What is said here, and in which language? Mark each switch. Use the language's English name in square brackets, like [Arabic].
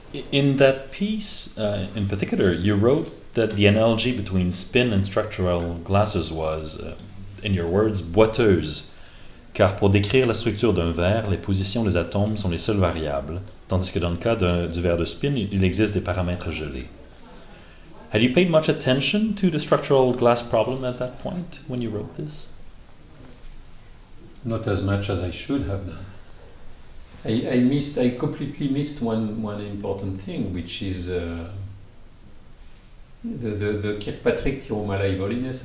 [English] In that piece, in particular, you wrote that the analogy between spin and structural glasses was, in your words, boiteuse. [French] Car pour décrire la structure d'un verre, les positions des atomes sont les seules variables, tandis que dans le cas du verre de spin, il existe des paramètres gelés. [English] Had you paid much attention to the structural glass problem at that point when you wrote this? Not as much as I should have done. I completely missed one important thing, which is the Kirkpatrick theorem à l'aïvoliness.